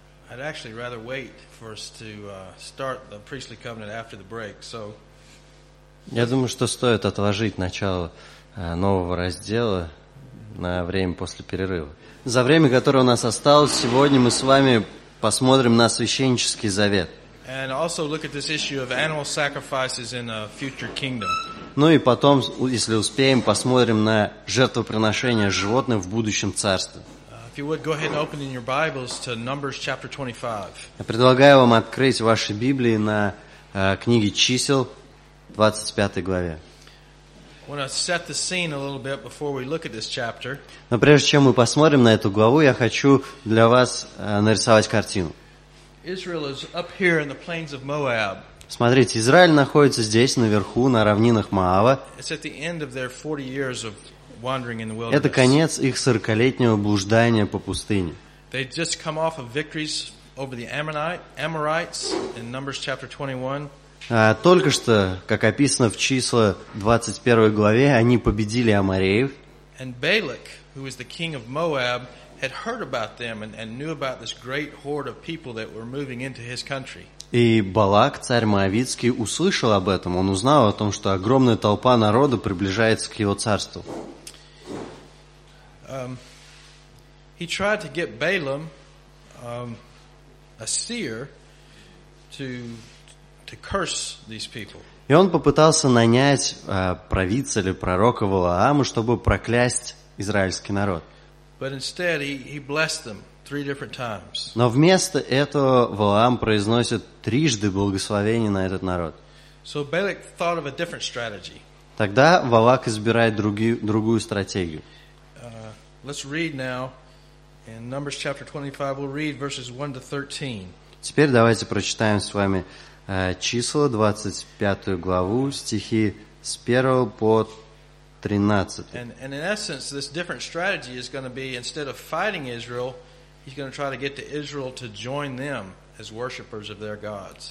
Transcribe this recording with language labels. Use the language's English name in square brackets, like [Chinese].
[English] I'd actually rather wait for us to start the priestly covenant after the break. So, [Russian] я думаю, что стоит отложить начало нового раздела на время после перерыва. За время, которое у нас осталось сегодня, мы с вами посмотрим на священнический завет. [English] And also look at this issue of animal sacrifices in a future kingdom. [Russian] Ну и потом, если успеем, посмотрим на жертвоприношения животных в будущем царстве. [English] If you would go ahead and open in your Bibles to Numbers chapter 25. [Russian] Я предлагаю вам открыть ваши Библии на книге Чисел, 25 главе. [English] I want to set the scene a little bit before we look at this chapter. [Russian] Но прежде чем мы посмотрим на эту главу, я хочу для вас нарисовать картину. [English] Israel is up here in the plains of Moab. [Russian] Смотрите, Израиль находится здесь наверху на равнинах Моава. [English] It's at the end of their 40 years of wandering in the wilderness. [Russian] Это конец их 40-летнего блуждания по пустыне. [English] They just come off of victories over the Amorites in Numbers chapter 21. [Russian] Только что, как описано в числа 21 главе, они победили Амореев. [English] And Balak, who was the king of Moab, had heard about them and knew about this great horde of people that were moving into his country. [Russian] И Балак, царь Моавитский, услышал об этом. Он узнал о том, что огромная толпа народа приближается к его царству. [English] He tried to get Balaam, a seer, to curse these people. [Russian] И он попытался нанять правителя, пророка Валааму, чтобы проклясть израильский народ. [English] But instead, he blessed them three different times. [Russian] Но вместо этого Валаам произносит трижды благословение на этот народ. [English] So Balak thought of a different strategy. [Russian] Тогда Валак избирает другую стратегию. [English] Let's read now in Numbers chapter 25. We'll read verses 1-13. [Russian] Теперь давайте прочитаем с вами числа 25 главу, стихи с 1 по 13. [English] And in essence, this different strategy is going to be, instead of fighting Israel, he's going to try to get to Israel to join them as worshippers of their gods.